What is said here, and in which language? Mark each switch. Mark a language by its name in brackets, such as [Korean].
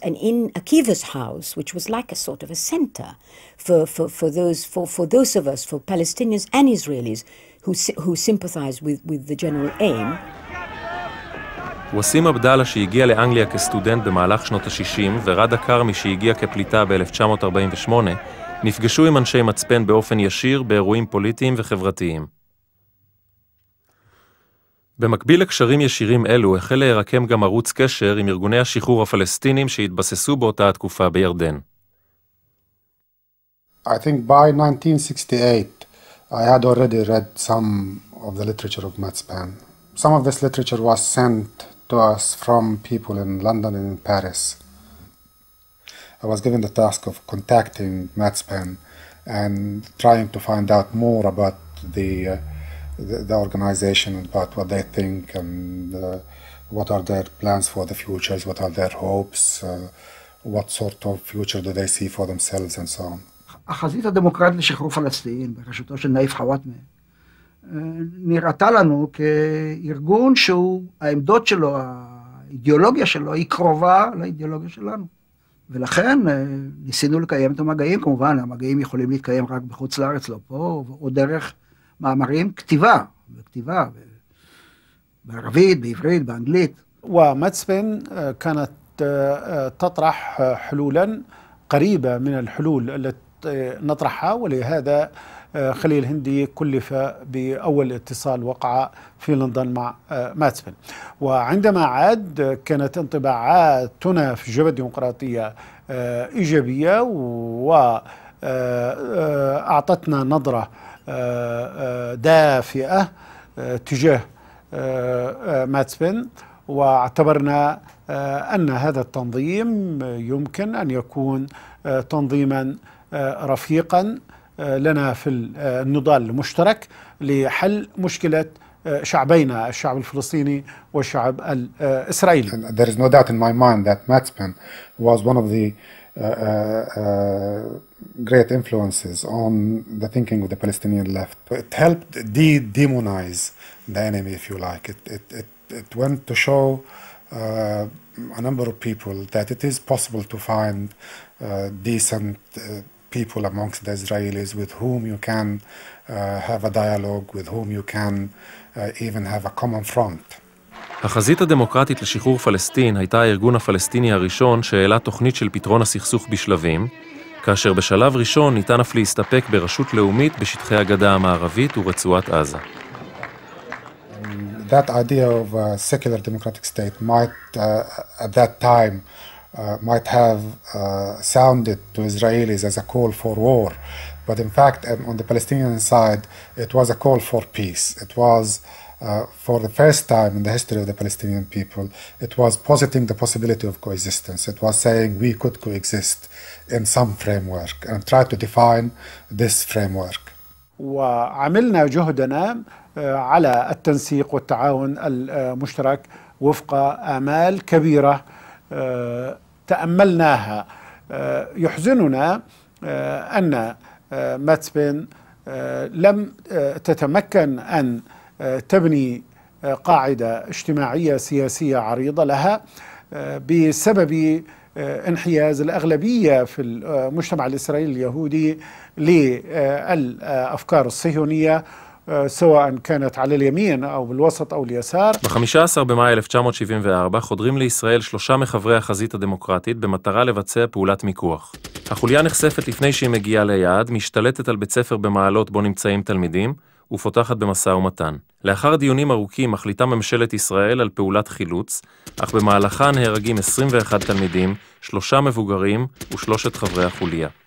[English] And in Akiva's house, which was like a sort of a center for those of us, for Palestinians and Israelis who sympathized with the general aim. Wasim Abdallah, who came to England as a student in the 60s, and Rada Karmi, who came as a refugee in 1948, met with people of Matzpen in a direct way in political and political events. [Hebrew] במקביל לקשרים ישירים אלו, החל להירקם גם ערוץ קשר עם ארגוני השחרור הפלסטינים שהתבססו באותה התקופה בירדן. [English] I think by 1968, I had already read some of the literature of Matzpen. Some of this literature was sent to us from people in London and in Paris. I was given the task of contacting Matzpen and trying to find out more about the organization, about what they think and what are their plans for the future, what are their hopes, what sort of future do they see for themselves and so on. [Hebrew] החזית הדמוקרטית לשחרור פלסטין בראשותו של נאיף חוואטמה נראתה לנו כארגון שהעמדות שלו, האידיאולוגיה שלו היא קרובה לאידיאולוגיה שלנו. ולכן ניסינו לקיים את המגעים, כמובן המגעים יכולים להתקיים רק בחוץ לארץ, לא פה, או דרך מאמרים, כתיבה, בערבית, בעברית, באנגלית. [Arabic] ומצפן كانت تطرح حلولا قريبة من الحلول التي نطرحها, ולהذا خليل هندي كلف بأول اتصال وقع في لندن مع מצפן. وعندما عاد كانت انطباعاتنا في الجبهة الديمقراطية إيجابية, وأعطتنا نظرة دافئة تجاه ماتسبن، واعتبرنا أن هذا التنظيم يمكن أن يكون تنظيما رفيقا لنا في النضال المشترك لحل مشكلة شعبينا، الشعب الفلسطيني والشعب الإسرائيلي. [English] There is no doubt in my mind that Matzpen was one of the great influences on the thinking of the Palestinian left. It helped demonize the enemy, if you like. It went to show a number of people that it is possible to find decent people amongst the Israelis with whom you can have a dialogue, with whom you can even have a common front. [Hebrew] החזית הדמוקרטית לשחרור פלסטין הייתה הארגון הפלסטיני הראשון שהעלה תוכנית של פתרון הסכסוך בשלבים, כאשר בשלב ראשון ניתן אף להסתפק ברשות לאומית בשטחי הגדה המערבית ורצועת עזה. [English] That idea of a secular democratic state might at that time might have sounded to Israelis as a call for war, but in fact on the Palestinian side it was a call for peace. It was for the first time in the history of the Palestinian people, it was positing the possibility of coexistence. It was saying we could coexist in some framework and try to define this framework. [Arabic] وعملنا جهدنا على التنسيق والتعاون المشترك وفق آمال كبيرة تأملناها. يحزننا أن ماتسبن لم تتمكن أن تبني قاعدة اجتماعية سياسية عريضة لها بسبب انحياز الأغلبية في المجتمع الإسرائيلي اليهودي للأفكار الصهيونية سواء كانت على اليمين أو بالوسط أو اليسار. [Hebrew] ב-15 במאי 1974 חודרים לישראל שלושה מחברי החזית הדמוקרטית במטרה לבצע פעולת מיקוח. החוליה נחשפת לפני שהיא מגיעה ליעד, משתלטת על בית ספר במעלות בו נמצאים תלמידים ופותחת במסע ומתן. לאחר דיונים ארוכים מחליטה ממשלת ישראל על פעולת חילוץ, אך במהלכה נהרגים 21 תלמידים, שלושה מבוגרים ושלושת חברי החוליה.